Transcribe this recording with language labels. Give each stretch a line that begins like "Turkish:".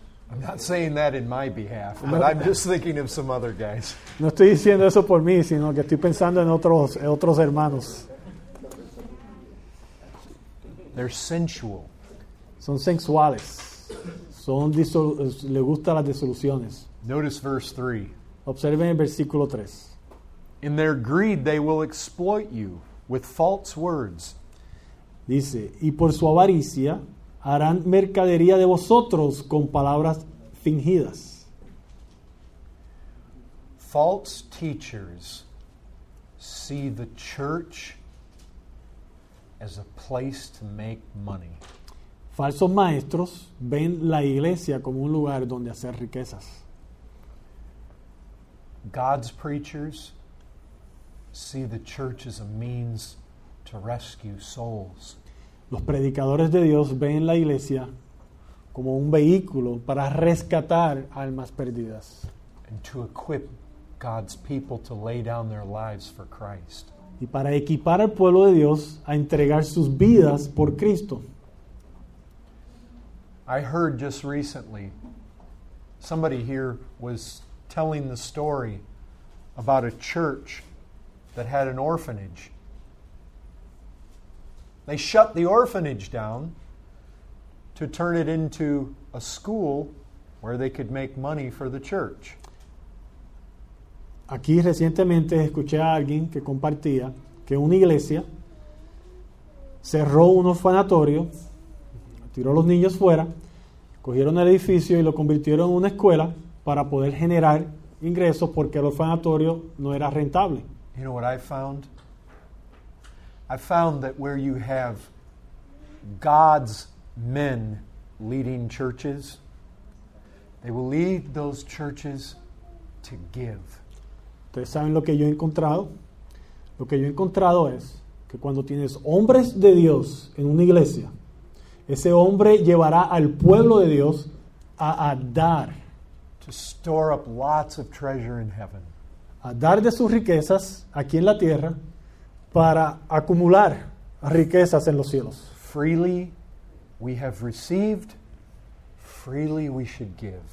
English: I'm not saying that in my behalf, but I'm just thinking of some other guys.
Spanish: No estoy diciendo eso por mí, sino que estoy pensando en otros hermanos.
English: They're sensual.
Spanish: Son sensuales. Le gustan las disoluciones.
English: Notice verse 3.
Spanish: Observen el versículo 3.
English: In their greed they will exploit you with false words.
Spanish: Dice, y por su avaricia harán mercadería de vosotros con palabras fingidas.
English: False teachers see the church as a place to make money.
Spanish: Falsos maestros ven la iglesia como un lugar donde hacer riquezas.
English: God's preachers see the church as a means to rescue souls.
Spanish: Los predicadores de Dios ven la iglesia como un vehículo para rescatar almas perdidas.
English: And to equip God's people to lay down their lives for Christ.
Spanish: Y para equipar al pueblo de Dios a entregar sus vidas por Cristo.
English: I heard just recently somebody here was telling the story about a church that had an orphanage. They shut the orphanage down to turn it into a school where they could make money for the church.
Spanish: Aquí recientemente escuché a alguien que compartía que una iglesia cerró un orfanatorio, tiró a los niños fuera, cogieron el edificio y lo convirtieron en una escuela para poder generar ingresos porque el orfanatorio no era rentable.
English: You know what I found? I found that where you have God's men leading churches, they will lead those churches to give.
Spanish: ¿Ustedes saben lo que yo he encontrado? Lo que yo he encontrado es que cuando tienes hombres de Dios en una iglesia, ese hombre llevará al pueblo de Dios a dar.
English: To store up lots of treasure in heaven.
Spanish: A dar de sus riquezas aquí en la tierra para acumular riquezas en los cielos.
English: Freely we have received, freely we should give.